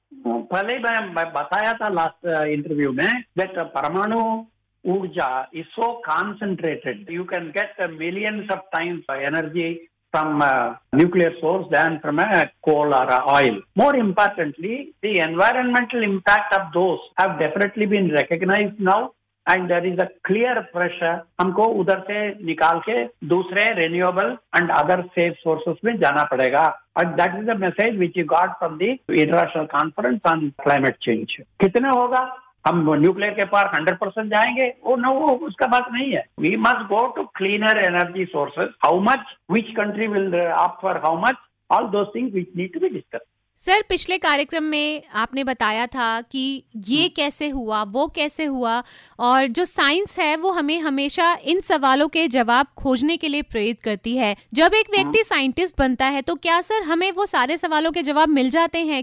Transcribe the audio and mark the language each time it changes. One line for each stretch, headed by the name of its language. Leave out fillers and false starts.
English: पहले मैं बताया था लास्ट इंटरव्यू में दैट परमाणु ऊर्जा is so concentrated, you can get millions of times energy from nuclear source than from coal और oil. More importantly, the environmental impact of those have definitely been recognized now and there is a clear pressure हमको उधर से निकाल के दूसरे renewable and other safe sources में जाना पड़ेगा। And that is the message which you got from the International Conference on Climate Change.
Hindi: कितना होगा? हम न्यूक्लियर के पार 100% जाएंगे?
English: Oh no, उसका बात नहीं है। We must go to cleaner energy sources. How much? Which country will opt for how much? All those things which need to be discussed.
Hindi: Sir, पिछले कार्यक्रम में आपने बताया था कि ये कैसे हुआ, वो कैसे हुआ, और जो साइंस है वो हमें हमेशा इन सवालों के जवाब खोजने के लिए प्रेरित करती है। जब एक व्यक्ति साइंटिस्ट बनता है तो क्या सर हमें वो सारे सवालों के जवाब मिल जाते हैं?